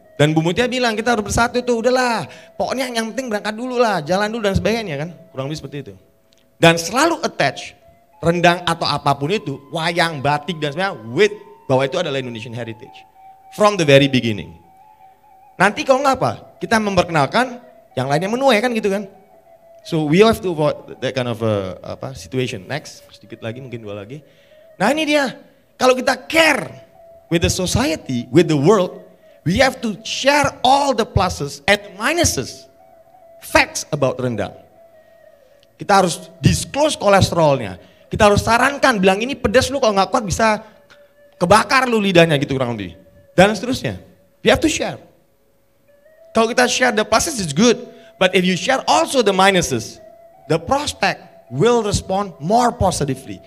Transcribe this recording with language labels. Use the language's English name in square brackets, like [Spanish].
[Indonesian] Dan Bu Mutia bilang kita harus bersatu tuh, udahlah. Pokoknya yang penting berangkat dulu lah, jalan dulu dan sebagainya kan. Kurang lebih seperti itu. Dan selalu attach rendang atau apapun itu, wayang, batik dan sebagainya, with bahwa itu adalah [English] Indonesian heritage. From the very beginning. [Indonesian] Nanti kalau enggak apa, kita memperkenalkan yang lainnya menuai kan gitu kan. [English] So we have to avoid that kind of situation. Next, [Indonesian] sedikit lagi, mungkin dua lagi. Nah ini dia, kalau kita [English] care with the society, with the world, we have to share all the pluses and minuses, facts about rendang. [Indonesian] Kita harus disclose kolesterolnya. Kita harus sarankan, bilang ini pedas lu kalau gak kuat bisa kebakar lu lidahnya gitu kurang lebih. Dan seterusnya, [English] we have to share. [Indonesian] Kalau kita [English] share the pluses is good, but if you share also the minuses, the prospect will respond more positively.